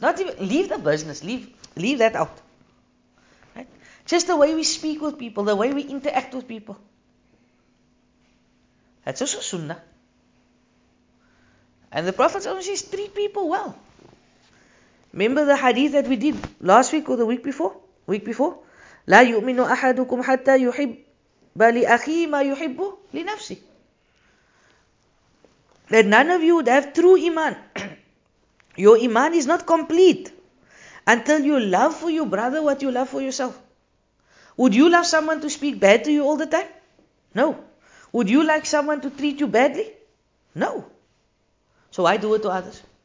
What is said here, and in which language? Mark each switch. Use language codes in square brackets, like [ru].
[en] Not even, leave the business, leave that out. Just the way we speak with people, the way we interact with people. That's also sunnah. And the Prophet says, treat people well. Remember the hadith that we did last week or the week before? Week before? [ar] لا يؤمن أحدكم حتى يحب لأخي ما يحب لنفسه. [en] That none of you would have true iman. Your iman is not complete until you love for your brother what you love for yourself. Would you love someone to speak bad to you all the time? No. Would you like someone to treat you badly? No. So why do it to others?